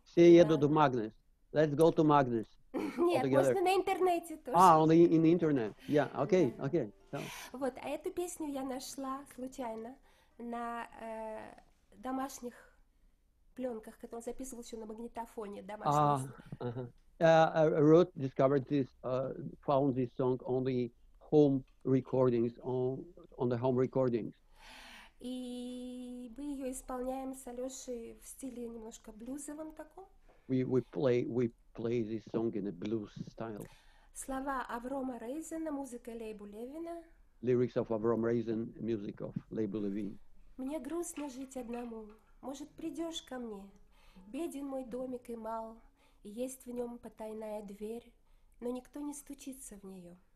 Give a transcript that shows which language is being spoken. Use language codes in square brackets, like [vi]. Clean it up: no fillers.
[ru] Все едут в Магнус. [en] Let's go to Магнус. [ru] Нет, можно на интернете тоже. [en] Only in the internet. Yeah, okay, yeah. Okay. So. [ru] Вот, а эту песню я нашла случайно на домашних пленках, которые он записывал еще на магнитофоне домашних. [en] Ruth discovered this, found this song on the home recordings, on the home recordings. [ru] И мы ее исполняем с Алешей в стиле немножко блюзовом таком. [en] We play this song in a blues style. [ru] Слова Аврома Рейзена, музыка Лейбу Левина. [en] Lyrics of Avrom Raisin, music of Leibu Levin. [ru] Мне грустно жить одному, может, придешь ко мне. Беден мой домик и мал, и есть в нем потайная дверь, но никто не стучится в нее.